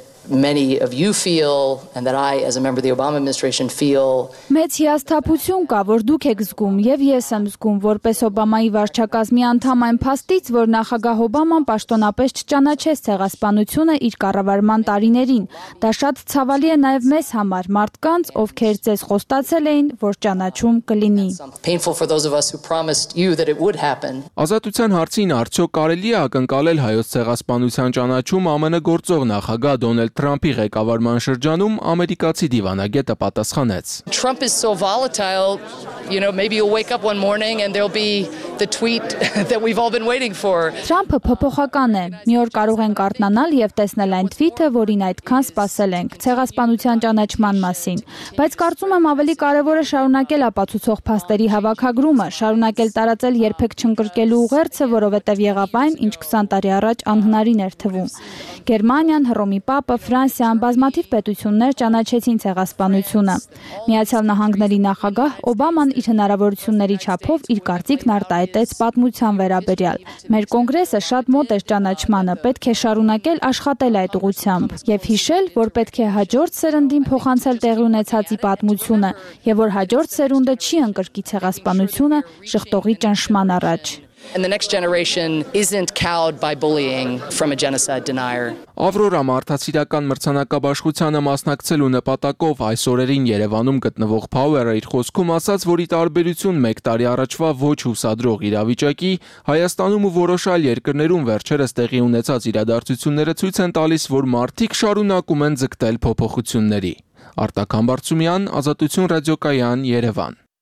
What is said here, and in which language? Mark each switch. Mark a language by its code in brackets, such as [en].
[en] Many of you feel and that I as a member of the Obama administration feel [hy] Մեծ հիասթափություն կա, որ դուք եք զգում եւ ես եմ զգում որպես Օբամայի վարչակազմի անդամ այն փաստից, որ նախագահ Օբաման պաշտոնապես չճանաչեց ցեղասպանությունը իր կառավարման տարիներին։ Դա շատ ցավալի է նաեւ մեզ համար, մարդկանց, ովքեր ձեզ խոստացել էին, որ ճանաչում կլինի։ Ազատության հարցին արդյոք կարելի է ակնկալել հայոց ցեղասպանության ճանաչում ԱՄՆ գործող նախագահ Դոնալդ Թրամփի ղեկավարման շրջանում ամերիկացի դիվանագետը պատասխանեց. [en] Trump is so volatile, you know, maybe you'll wake up one morning and there'll be the tweet that we've all been waiting for. [hy] Թրամփը փոփոխական է։ Մի օր կարող ենք արթնանալ եւ տեսնել այն տվիթը, որին այդքան սպասել ենք ցեղասպանության ճանաչման մասին, բայց կարծում եմ ավելի կարևորը շարունակել ապացուցող փաստերի հավաքագրումը, շարունակել տարածել երբեք չընկրկելու ուղերձը, որովհետեւ եղավ այն, ինչ 20 տարի առաջ անհնարին էր թվում։ Գերմանիան, Հռոմի Պապը, Ֆրանսիան, բազմաթիվ պետություններ ճանաչեցին ցեղասպանությունը։ Միացյալ Նահանգների նախագահ Օբաման իր հնարավորությունների չափով իր կարծիքն արտահայտեց պատմության վերաբերյալ։ Մեր կոնգրեսը շատ մոտ է ճանաչմանը, պետք է շարունակել աշխատել այդ ուղությամբ եւ հիշել, որ պետք է հաջորդ սերնդին փոխանցել տեղի ունեցածի պատմությունը եւ որ հաջորդ սերունդը չի ընկրկի ցեղասպանությունը շխտողի ճնշման առաջ։ [en] And the next generation isn't cowed by bullying from a genocide denier. [hy] Ավրորա Մարդասիրական մրցանակաբաշխությանը մասնակցելու նպատակով այս օրերին Երևանում գտնվող Փաուերը իր խոսքում ասաց, որ ի տարբերություն 1 տարի առաջվա ոչ հուսադրող իրավիճակի, Հայաստանում ու որոշ այլ երկրներում վերջերս տեղի ունեցած իրադարձությունները ցույց են տալիս, որ մարդիկ շարունակում են ձգտել փոփոխությունների։ Արտակ Համբարձումյան, Ազատություն ռադիոկայան, Երևան։